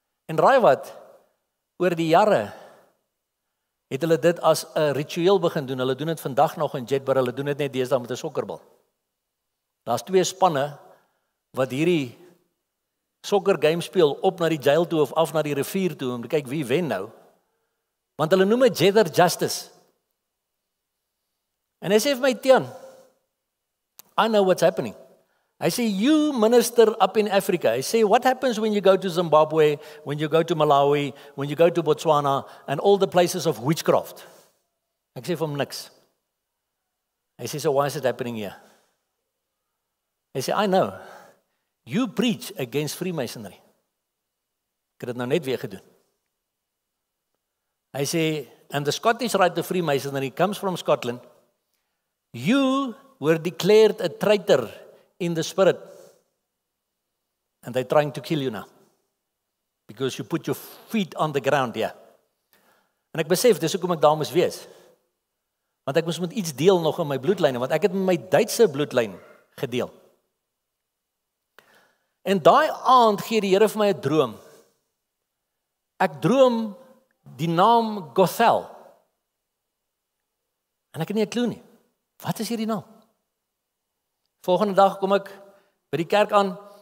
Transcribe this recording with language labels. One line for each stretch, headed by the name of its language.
Afrikaans: En raai wat, oor die jare het hulle dit as 'n ritueel begin doen, hulle doen dit vandag nog in Jedburgh, hulle doen dit net deesdae met 'n sokkerbal. Daar is twee spanne wat hierdie soccer game speel op na die jail toe of af na die rivier toe om te kyk wie wen nou. Want hulle noem het Jedder Justice. En hy sê vir my, Tian,
English: I know what's happening. Hy sê, you minister up in Africa, hy sê, what happens when you go to Zimbabwe, when you go to Malawi, when you go to Botswana and all the places of witchcraft?
Afrikaans: Ek sê vir hom niks. Hy sê,
English: so why is it happening here? Hy sê, I know, you preach against Freemasonry.
Afrikaans: Ek het dit nou net weer gedoen. Hy sê,
English: and the Scottish Rite of Freemasonry comes from Scotland. You were declared a traitor in the spirit. And they're trying to kill you now. Because you put your feet on the ground, yeah.
Afrikaans: En ek besef, dis hoekom ek daar moes wees. Want ek moes met iets deel nog in my bloedlyne, want ek het met my Duitse bloedlyne gedeel. En daai aand gee die Here vir my 'n droom. Ek droom die naam Gothel. En ek het nie 'n klou nie. Wat is hierdie naam? Volgende dag kom ek by die kerk aan.